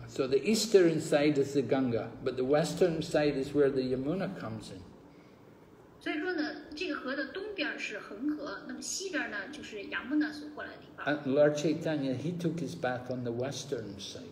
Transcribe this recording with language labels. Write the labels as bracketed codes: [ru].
[en] so the eastern side is the Ganga, but the western side is where the Yamuna comes in. [zh] 所以说呢，这个河的东边是恒河，那么西边呢就是雅穆纳所过来的地方。And [en] Lord Chaitanya, he took his bath on the western side.